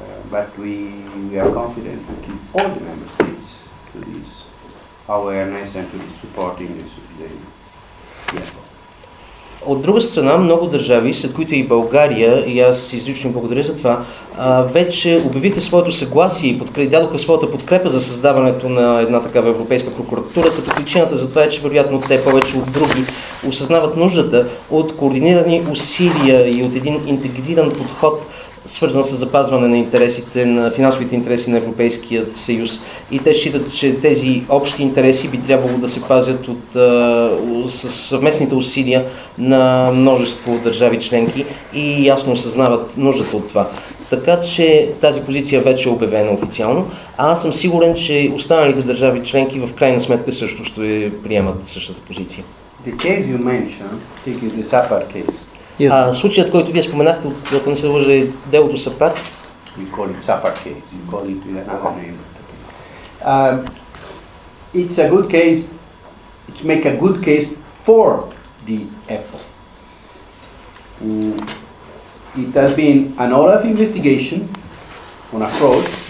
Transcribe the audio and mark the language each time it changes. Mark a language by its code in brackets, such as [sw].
[en] But we are confident to keep all the member states to this awareness and to supporting the effort. [bg] От друга страна, много държави, сред които и България, и аз изрично благодаря за това, вече обявиха своето съгласие и дадоха своята подкрепа за създаването на една такава европейска прокуратура, като причината за това е, че вероятно те повече от други осъзнават нуждата от координирани усилия и от един интегриран подход, свързан с запазване на интересите, на финансовите интереси на Европейския съюз. И те считат, че тези общи интереси би трябвало да се пазят от съвместните усилия на множество държави членки и ясно осъзнават нуждата от това. Така че тази позиция вече е обявена официално, а аз съм сигурен, че останалите държави членки в крайна сметка също ще приемат същата позиция. [en] The case you mentioned, it is the Sapar case. Yes. [bg] Случаят, който вие споменахте, ако не се лъжа, е делото Сапар. [en] We call it Sapar case, we call it with another name. It's a good case, it's make a good case for the EPO. It has been an OLAF investigation on a fraud,